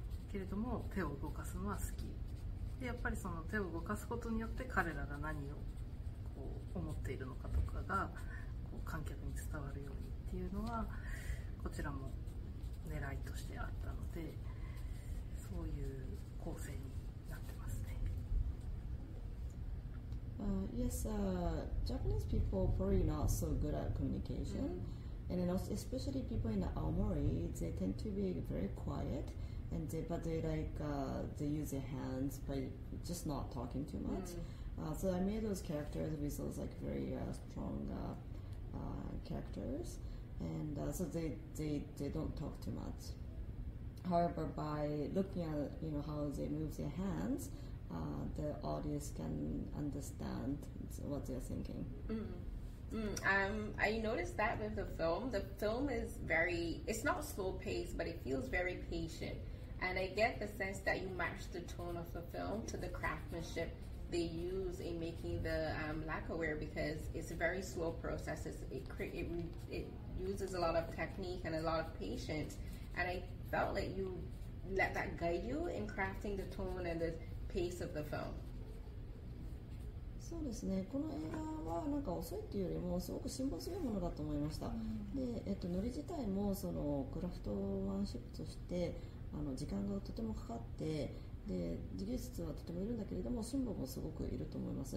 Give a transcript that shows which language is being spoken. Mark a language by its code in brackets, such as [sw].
[ja] けれども手を動かすのは好きで、やっぱりその手を動かすことによって彼らが何をこう思っているのかとかがこう観客に伝わるようにっていうのはこちらも狙いとしてあったので、そういう構成になってますね。 [en] Yes, Japanese people are probably not so good at communication、mm-hmm. And also, especially people in Aomori, they tend to be very quiet, and they use their hands, but just not talking too much. Mm. So I made those characters with those like very strong characters, and so they don't talk too much. However, by looking at how they move their hands, the audience can understand what they're thinking. Mm-hmm. I noticed that with the film. The film is very, it's not slow paced, but it feels very patient. And I get the sense that you match the tone of the film to the craftsmanship they use in making the lacquerware, because it's a very slow process. It uses a lot of technique and a lot of patience. And I felt like you let that guide you in crafting the tone and the pace of the film. [ja] そうですね、この映画はなんか遅いというよりもすごく辛抱強いものだと思いました。で、ノリ自体もそのクラフトマンシップとして時間がとてもかかって、で技術はとてもいるんだけれども辛抱もすごくいると思います。